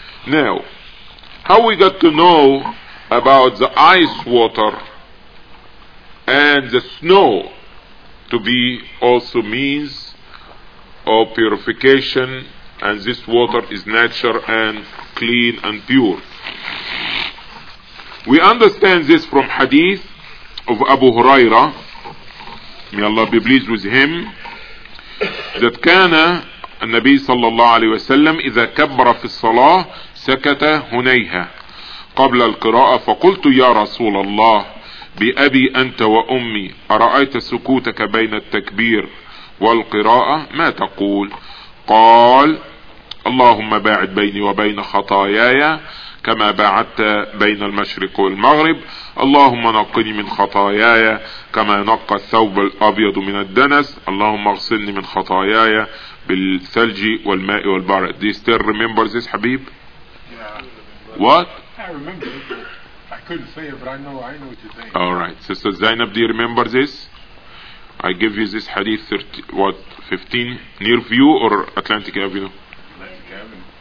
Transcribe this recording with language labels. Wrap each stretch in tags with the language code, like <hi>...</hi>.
<en>Now, how we got to know about the ice water and the snow to be also means of purification, and this water is natural and clean and pure. We understand this from hadith of Abu Huraira, may Allah be pleased with him, that</en> <ar>kana an-Nabi sallallahu alayhi wa sallam idha kabbara fi salah sakata hunayha قبل القراءة فقلت يا رسول الله بأبي أنت وأمي أرأيت سكوتك بين التكبير والقراءة ما تقول قال اللهم باعد بيني وبين خطاياي كما باعدت بين المشرق والمغرب اللهم نقني من خطاياي كما نقى الثوب الأبيض من الدنس اللهم اغسلني من خطاياي بالثلج والماء والبرد.</ar> <en>Do you still remember this, حبيب? What? I remember it, but I couldn't say it, but I know what you're saying. All right. Sister Zainab, do you remember this? I give you this hadith, 15, Nearview or Atlantic Avenue? Atlantic Avenue.</en>